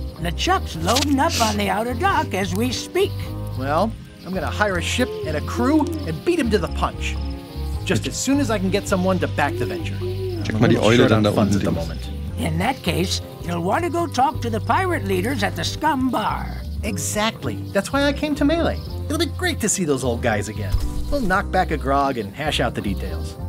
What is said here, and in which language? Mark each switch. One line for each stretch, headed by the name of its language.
English: LeChuck's loading up on the outer dock as we speak. Well, I'm gonna hire a ship and a crew and beat him to the punch. Just as soon as I can get someone to back the venture.
German: Check mal die Eule dann da unten links.
English: In that case, you'll want to go talk to the pirate leaders at the scum bar. Exactly. That's why I came to Melee. It'll be great to see those old guys again. We'll knock back a grog and hash out the details.